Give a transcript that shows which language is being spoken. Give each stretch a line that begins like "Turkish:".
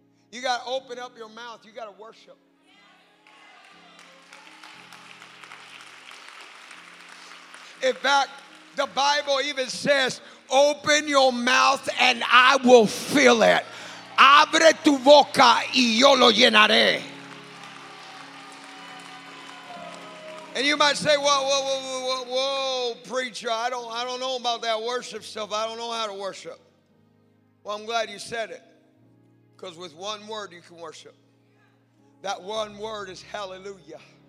English: You got to open up your mouth. You got to worship. In fact, the Bible even says, open your mouth and I will fill it.
Spanish: Abre tu boca y yo lo llenaré.
English: And you might say, whoa, preacher, I don't know about that worship stuff. I don't know how to worship. Well, I'm glad you said it. Because with one word, you can worship. That one word is hallelujah.